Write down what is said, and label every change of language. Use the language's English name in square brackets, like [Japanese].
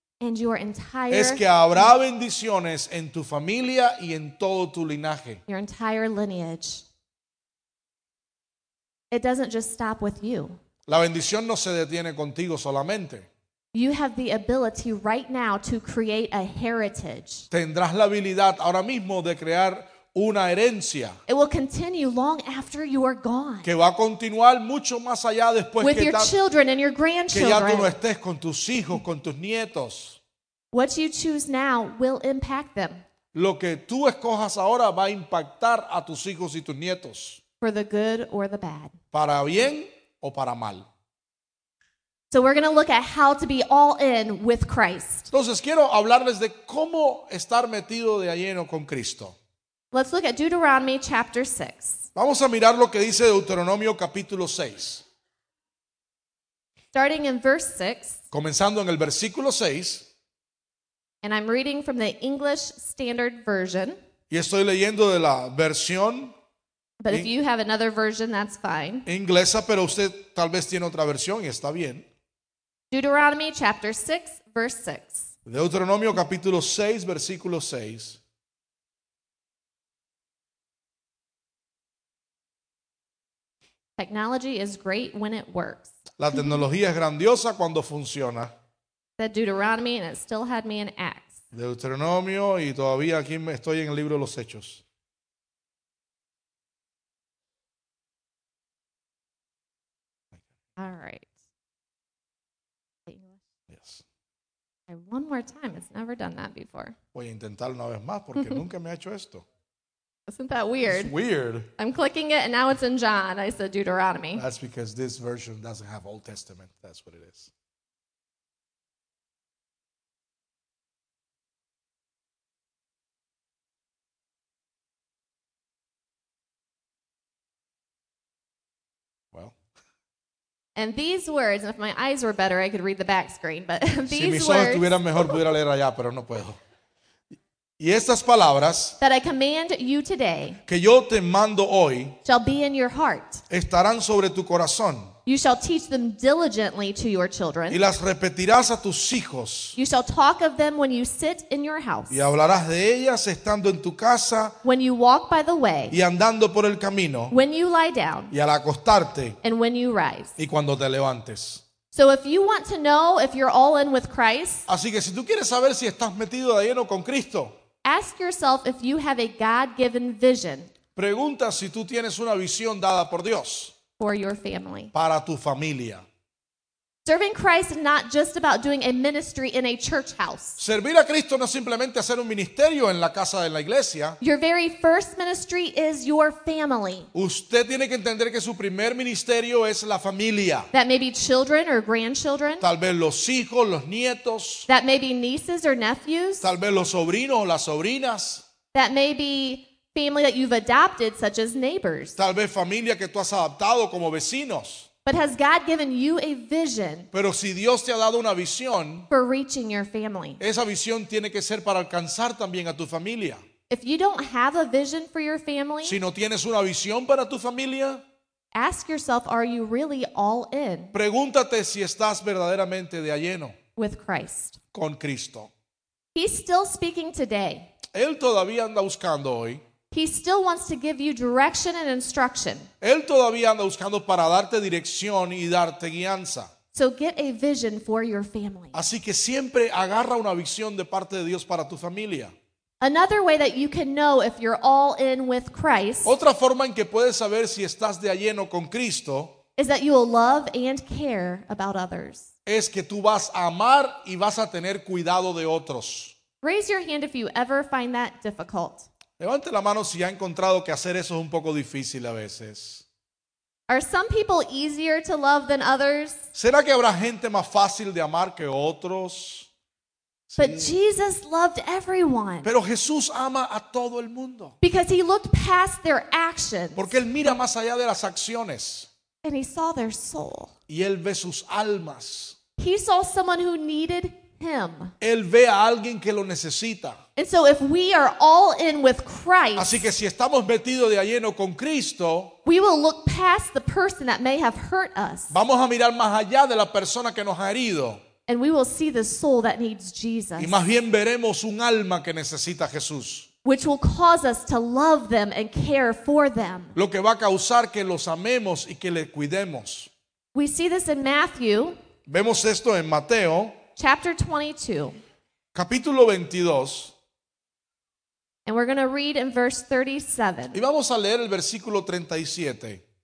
[English] And your entire [Spanish] es que habrá bendiciones en tu familia y en todo tu linaje. [English] Your entire lineage. It doesn't just stop with you. [Spanish] La bendición no se detiene contigo solamente. [English] You have the ability right now to create a heritage. [Spanish] Tendrás la habilidad ahora mismo de crear una herencia. [English] It will continue long after you are gone. [Spanish] Que va a continuar mucho más allá después [English] with [Spanish] que [English] your children and your grandchildren. [Spanish] Que ya tú no estés con tus hijos, con tus nietos. [English] What you choose now will impact them. [Spanish] Lo que tú escojas ahora va a impactar a tus hijos y tus nietos. [English] For the good or the bad. [Spanish] Para bien o para mal. [English] So we're going to look at how to be all in with Christ. [Spanish] Entonces quiero hablarles de cómo estar metido de lleno con Cristo. [English] Let's look at Deuteronomy chapter 6. [Spanish] Vamos a mirar lo que dice Deuteronomio capítulo 6. [English] Starting in verse 6. [Spanish] Comenzando en el versículo 6. [English] And I'm reading from the English Standard Version. [Spanish] Y estoy leyendo de la versión. [English] But if you have another version, that's fine. [Spanish] Inglesa, pero usted tal vez tiene otra versión y está bien. [English] Deuteronomy chapter 6, verse 6. [Spanish] Deuteronomio capítulo 6, versículo 6. [English] Technology is great when it works. [Spanish] La tecnología es grandiosa cuando funciona. [English] Said Deuteronomy and it still had me in Acts. [Spanish] Deuteronomio y todavía aquí estoy en el libro de los Hechos. [English] All right. Yes. Okay, one more time. It's never done that before. [Spanish] Voy a intentar una vez más porque nunca me ha hecho esto. [English] Isn't that weird? It's weird. I'm clicking it and now it's in John. I said Deuteronomy. That's because this version doesn't have Old Testament. That's what it is. Well. And these words, and if my eyes were better, I could read the back screen, but these [Spanish] si mis [English] words. [Spanish] Si estuvieran mejor, pudiera leer allá, pero no puedo. Y estas palabras [English] that I command you today, [Spanish] que yo te mando hoy [English] shall be in your heart. [Spanish] Estarán sobre tu corazón. [English] You shall teach them diligently to your children. [Spanish] Y las repetirás a tus hijos. [English] You shall talk of them when you sit in your house. [Spanish] Y hablarás de ellas estando en tu casa. [English] When you walk by the way. [Spanish] Y andando por el camino. [English] When you lie down. [Spanish] Y al acostarte. [English] And when you rise. [Spanish] Y cuando te levantes. [English] So if you want to know if you're all in with Christ, [Spanish] así que si tú quieres saber si estás metido de lleno con Cristo, [English] ask yourself if you have a God-given vision. [Spanish] Pregunta si tú tienes una visión dada por Dios [English] for your family. [Spanish] Para tu familia. [English] Serving Christ is not just about doing a ministry in a church house. [Spanish] Servir a Cristo no es simplemente hacer un ministerio en la casa de la iglesia. [English] Your very first ministry is your family. [Spanish] Usted tiene que entender que su primer ministerio es la familia. [English] That may be children or grandchildren. [Spanish] Tal vez los hijos, los nietos. [English] That may be nieces or nephews. [Spanish] Tal vez los sobrinos o las sobrinas. [English] That may be family that you've adopted, such as neighbors. [Spanish] Tal vez familia que tú has adoptado como vecinos. [English] But has God given you a vision? [Spanish] Pero si Dios te ha dado una visión, [English] for reaching your family. [Spanish] Esa visión tiene que ser para alcanzar también a tu familia. [English] If you don't have a vision for your family, [Spanish] si no tienes una visión para tu familia, [English] ask yourself, are you really all in? [Spanish] Pregúntate si estás verdaderamente de lleno [English] with Christ. [Spanish] Con Cristo. [English] He's still speaking today. [Spanish] Él todavía anda buscando hoy. [English] He still wants to give you direction and instruction. [Spanish] Él todavía anda buscando para darte dirección y darte guianza. [English] So get a vision for your family. [Spanish] Así que siempre agarra una visión de parte de Dios para tu familia. [English] Another way that you can know if you're all in with Christ. [Spanish] Otra forma en que puedes saber si estás de lleno con Cristo. [English] Is that you will love and care about others. [Spanish] Es que tú vas a amar y vas a tener cuidado de otros. [English] Raise your hand if you ever find that difficult. [Spanish] Levante la mano si ha encontrado que hacer eso es un poco difícil a veces. [English] Are some people easier to love than others? [Spanish] ¿Será que habrá gente más fácil de amar que otros? [English] But sí. Jesus loved everyone. [Spanish] Pero Jesús ama a todo el mundo. [English] Because he looked past their actions. [Spanish] Porque él mira más allá de las acciones. [English] And he saw their soul. [Spanish] Y él ve sus almas. [English] He saw someone who needed him. [Spanish] Él ve a alguien que lo necesita. [English] And so if we are all in with Christ, [Spanish] así que si estamos metidos de lleno con Cristo, [English] we will look past the person that may have hurt us. [Spanish] Vamos a mirar más allá de la persona que nos ha herido. [English] And we will see the soul that needs Jesus. [Spanish] Y más bien veremos un alma que necesita a Jesús. [English] Which will cause us to love them and care for them. [Spanish] Lo que va a causar que los amemos y que les cuidemos. [English] We see this in Matthew. [Spanish] Vemos esto en Mateo. [English] Chapter 22. [Spanish] Capítulo 22. [English] And we're going to read in verse 37. [Spanish] Y vamos a leer el versículo 37.